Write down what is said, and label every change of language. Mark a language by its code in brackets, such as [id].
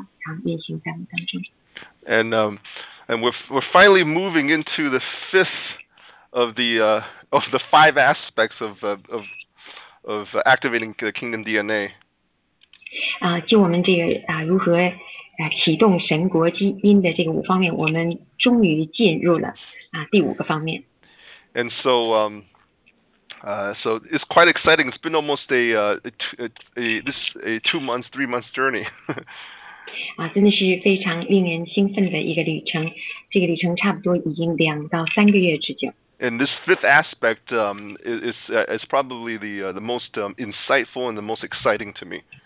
[zh] 真的是非常的高兴今天能够有机会跟大家连接。当我们这样子从各地同时上线彼此连接的时候，有一种有一份特别的这个恩膏，运行在我们当中。And [en] we're finally moving into the fifth of the five aspects of activating the kingdom DNA. [zh] 就我们这个如何启动神国基因的这个五方面，我们终于进入了第五个方面。 [en] And so so it's quite exciting. It's been almost a 2 months, 3 months journey. [zh] 真的是非常令人兴奋的一个旅程，这个旅程差不多已经2到3个月之久。 [en] And this fifth aspect is probably the most insightful and the most exciting to me.